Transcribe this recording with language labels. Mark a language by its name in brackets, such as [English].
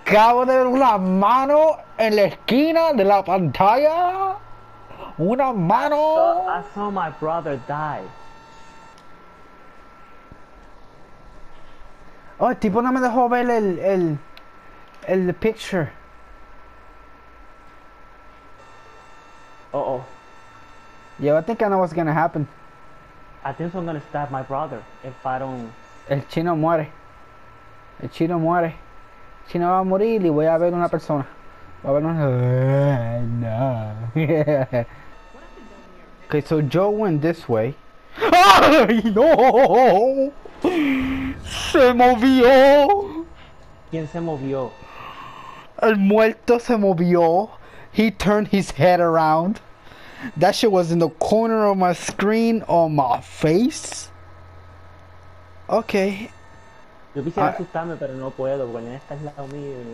[Spanish] Acabo de ver una mano en la esquina de la pantalla. Una mano. [English] I saw my brother die. [Spanish] Oh, el tipo no me dejó ver el picture. Uh oh. [English] Yeah, I think I know what's gonna happen. I think so I'm gonna stab my brother if I don't. [Spanish] El chino muere. El chino muere. El chino va a morir y voy a ver una persona. Va a ver una. No. [English] Okay, so Joe went this way. [Spanish] ¡Ay, no! ¡Se movió! ¿Quién se movió? El muerto se movió. [English] He turned his head around. That shit was in the corner of my screen on my face. Okay. [Spanish] Yo quisiera asustarme, pero no puedo, porque en esta es la mía.